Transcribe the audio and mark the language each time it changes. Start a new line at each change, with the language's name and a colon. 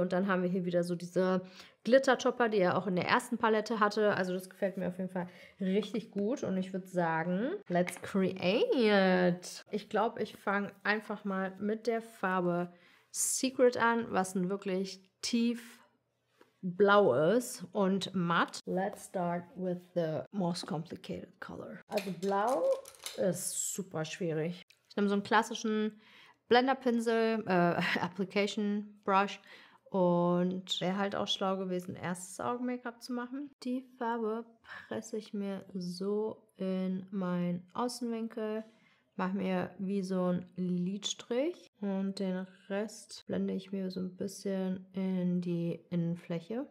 German: Und dann haben wir hier wieder so diese Glitter-Topper, die er auch in der ersten Palette hatte. Also das gefällt mir auf jeden Fall richtig gut. Und ich würde sagen,
English: let's create it.
German: Ich glaube, ich fange einfach mal mit der Farbe Secret an, was ein wirklich tief blau ist und matt.
English: Let's start with the most complicated color.
German: Also blau ist super schwierig. Ich nehme so einen klassischen Blenderpinsel, Application Brush. Und wäre halt auch schlau gewesen, erstes Augen-Make-up zu machen. Die Farbe presse ich mir so in meinen Außenwinkel, mache mir wie so einen Lidstrich und den Rest blende ich mir so ein bisschen in die Innenfläche.